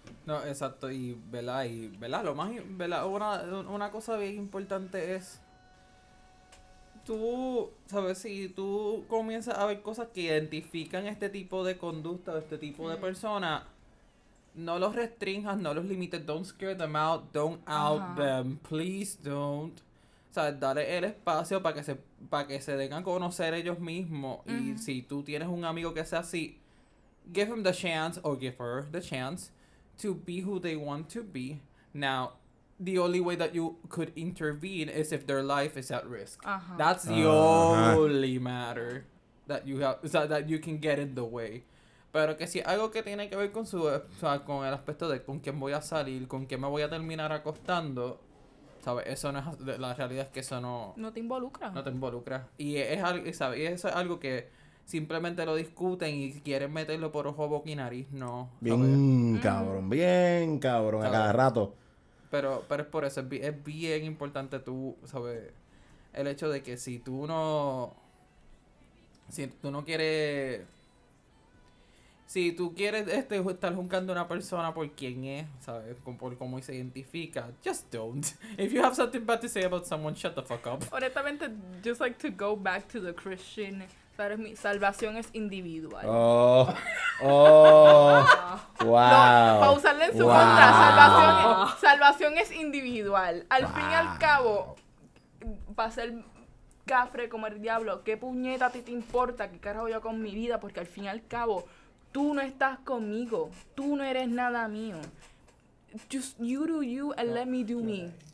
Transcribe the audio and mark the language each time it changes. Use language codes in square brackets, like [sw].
[es] No, exacto. Y ¿verdad? Lo más ¿verdad? una cosa bien importante es tú, ¿sabes? Si tú comienzas a ver cosas que identifican este tipo de conducta o este tipo de persona, no los restringas, no los limites. [en] Don't scare them out, don't out them, please don't. [es] O sea, dale el espacio para que se den a conocer ellos mismos. Uh-huh. Y si tú tienes un amigo que sea así, [en] give him the chance, or give her the chance, to be who they want to be. Now, the only way that you could intervene is if their life is at risk. Uh-huh. That's the only matter that you have, that you can get in the way. [es] Pero que si algo que tiene que ver con su, o sea, con el aspecto de con quién voy a salir, con quién me voy a terminar acostando, ¿sabes? Eso no es, la realidad es que eso no... No te involucra. Y eso es algo que simplemente lo discuten y quieren meterlo por ojo, boca y nariz, no. Bien cabrón, ¿sabes? A cada rato. Pero es por eso, es bien importante tú, ¿sabes? El hecho de que si tú quieres estar juzgando a una persona por quién es, ¿sabes? Por cómo se identifica, [en] just don't. If you have something bad to say about someone, shut the fuck up. [es] Honestamente, [en] just like to go back to the Christian, [es] ¿sabes? Mi salvación es individual. Wow. No, para usarle en su contra, salvación es individual. Al fin y al cabo, va a ser cafre como el diablo. ¿Qué puñeta a ti te importa? ¿Qué carajo yo con mi vida? Porque al fin y al cabo, tú no estás conmigo, tú no eres nada mío. [en] Just you do you and let me do me.